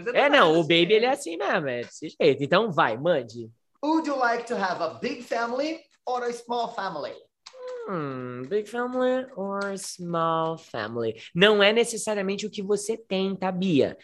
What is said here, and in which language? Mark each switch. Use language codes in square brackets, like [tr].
[pt] Não, o baby ele é assim mesmo, é desse jeito. Então vai, mande. [en] Would you like to have a big family or a small family? Big family or small family? [pt] Não é necessariamente o que você tem, tá, Bia?